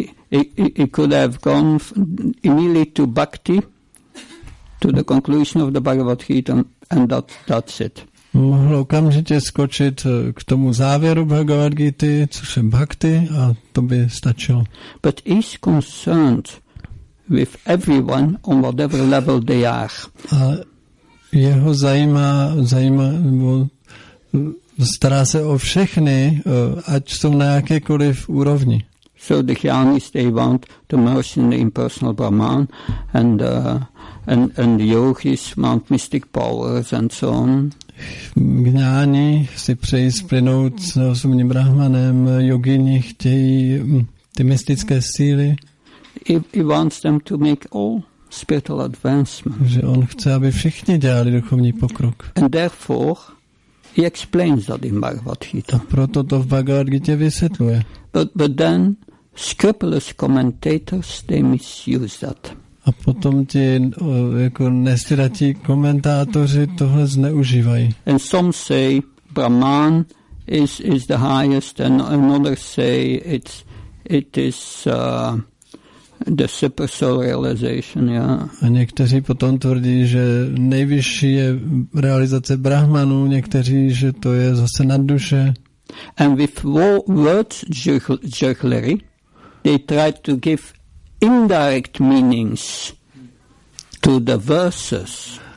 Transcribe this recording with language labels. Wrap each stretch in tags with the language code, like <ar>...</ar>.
<en>He could have gone immediately to Bhakti, to the conclusion of the Bhagavad Gita, and that's it.</en> <cs>Mohl okamžitě skočit k tomu závěru Bhagavad Gita, což je Bhakti, a to by stačilo.</cs> <en>But he's concerned with everyone on whatever level they are.</en> <cs>A jeho zajímá nebo stará se o všechny, ať jsou na jakékoliv úrovni.</cs> <en>So the jnanis, they want to merge in the impersonal Brahman, and the yogis want mystic powers and so on.</en> <cs>Jnani si přejí splynout s osobním Brahmanem, jogini chtějí ty mystické síly.</cs> <en>He wants them to make all spiritual advancement.</en> <cs>Že on chce, aby všichni dělali duchovní pokrok.</cs> <en>And therefore, he explains that in Bhagavad Gita.</en> <cs>A proto to v Bhagavad Gita vysvětluje.</cs> <en>But then, scrupulous commentators, they misuse that.</en> <cs>A potom ti jako nestydatí komentátoři tohle zneužívají.</cs> <en>And some say Brahman is the highest, and others say it is the supersoul realization. Yeah.</en> <cs>A někteří potom tvrdí, že nejvyšší je realizace Brahmanu, někteří, že to je zase nadduše.</cs> <en>And with words jugglery, they try to give indirect meanings to the verses.</en>